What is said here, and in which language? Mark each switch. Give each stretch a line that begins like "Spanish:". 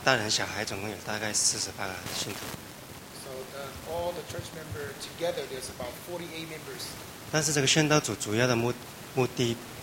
Chinese: 大人小孩总共有大概48个信徒。
English: So all the church members together, there's about 48 members.
Chinese: 但是这个宣道组主要的目的。